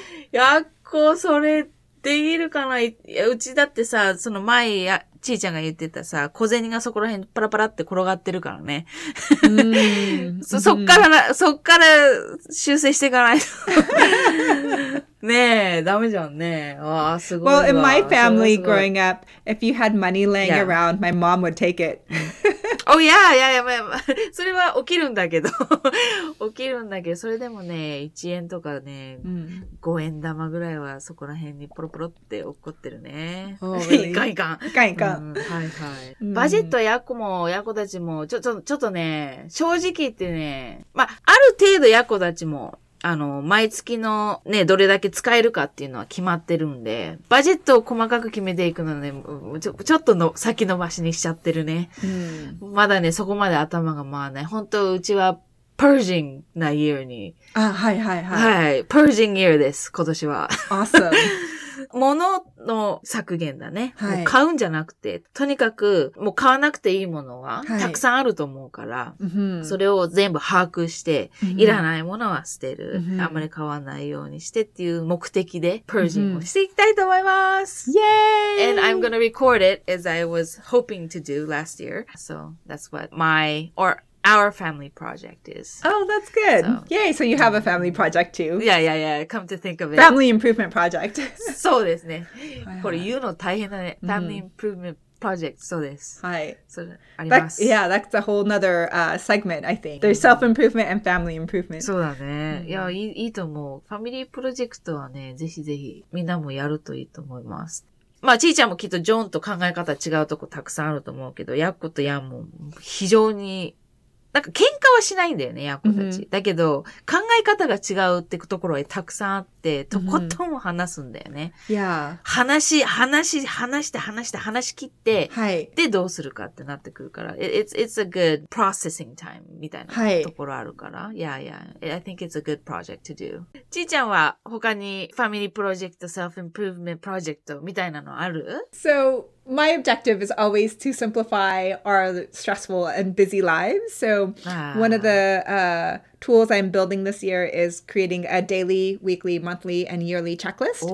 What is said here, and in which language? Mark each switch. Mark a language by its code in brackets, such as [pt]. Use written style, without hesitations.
[ja] やっこ、それできるかな。うちだってさ、その前、ちーちゃんが言ってたさ、小銭がそこら辺パラパラって転がってるからね。そっから修正していかないと。ねえ、ダメじゃんね。わあ、すごいわ。 [en] Well, in my family growing up, if you had money laying around, my mom would take it. Oh, yeah, yeah, yeah, yeah. [ja] それは起きるんだけど。起きるんだけど、それでもね、1円とかね、5円玉ぐらいはそこら辺にポロポロって落っこってるね。いかんいかん。いかんいかん。はいはい。バジットやっこも、やっこたちも、ちょっとね、正直言ってね、まあ、ある程度やっこたちも、あの、毎月のね、どれだけ使えるかっていうのは決まってるんで、バジェットを細かく決めていくのはね、ちょっとの先延ばしにしちゃってるね。まだね、そこまで頭が回らない。本当、うちは、purging な year に。あ、はいはいはい。はい。purging year です、今年は。 [en] awesome. [ja] 物の削減だね。はい、買うんじゃなくて、とにかく、もう買わなくていいものは、たくさんあると思うから、はい、それを全部把握して、いらないものは捨てる。あんまり買わないようにしてっていう目的で、purging をしていきたいと思います。 [en] Yay! And I'm gonna record it as I was hoping to do last year. So, that's what our family project is. Oh, that's good. So, yay, so you have a family project too. Yeah, yeah, yeah. Come to think of it. Family improvement project. [ja] そうですね。これ言うの大変だね。 [en] Family improvement project, [ja] そうです。はい。それあります。 [en] Yeah, that's a whole nother, segment, I think. There's self-improvement and family improvement. [ja] そうだね。いや、いいと思う。ファミリープロジェクトはね、ぜひぜひみんなもやるといいと思います。まあ、ちーちゃんもきっとジョンと考え方違うとこたくさんあると思うけど、ヤッコとヤンも非常になんか喧嘩はしないんだよね、ヤコたち。だけど、考え方が違うってところはたくさんあって、とことん話すんだよね。 [en] Yeah. [ja] 話して話し切って、はい、で、どうするかってなってくるから。 [en] It's a good processing time [ja] みたいなところあるから。はい、 [en] yeah, yeah. I think it's a good project to do. [ja] ちーちゃんは他にファミリープロジェクト、self-improvement プロジェクトみたいなのある [en] ?So,My objective is always to simplify our stressful and busy lives. So one of the tools I'm building this year is creating a daily, weekly, monthly, and yearly checklist.